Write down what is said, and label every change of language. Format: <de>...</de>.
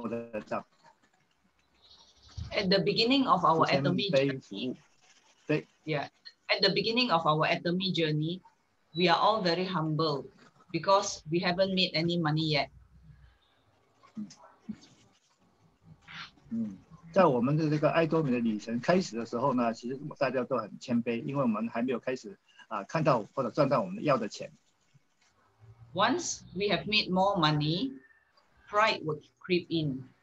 <zh>第四个就是谦卑服务，我讲慢一点啊，可能大家比较能够掌握得到。At</zh> <en>the beginning of our atomy journey,</en> <zh>对</zh> <en>，Yeah. At the beginning of our atomy journey, we are all very humble because we haven't made any money yet.</en> <zh>在我们的这个爱多美的旅程开始的时候呢，其实大家都很谦卑，因为我们还没有开始看到或者赚到我们要的钱。Once</zh> <en>we have made more money, pride would creep in.</en>